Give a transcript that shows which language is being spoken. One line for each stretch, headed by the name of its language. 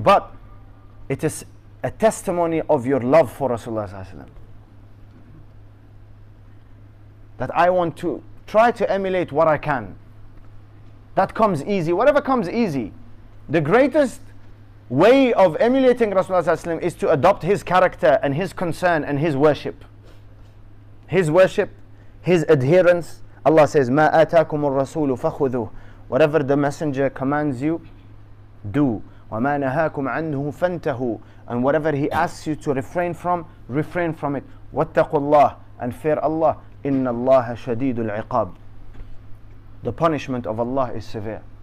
English: But it is a testimony of your love for Rasulullah. That I want to try to emulate what I can. That comes easy. Whatever comes easy. The greatest way of emulating Rasulullah is to adopt his character and his concern and his worship. His worship, his adherence. Allah says,
Arabic: مَا آتَاكُمُ الرَّسُولُ فَخُذُهُ.
English: Whatever the messenger commands you, do.
Arabic: وَمَا نَهَاكُمْ عَنْهُ فَانْتَهُ.
English: And whatever he asks you to refrain from, refrain from it.
Arabic: وَاتَّقُوا اللَّهِ.
English: And fear Allah.
Arabic: إِنَّ اللَّهَ شَدِيدُ الْعِقَابِ.
English: The punishment of Allah is severe.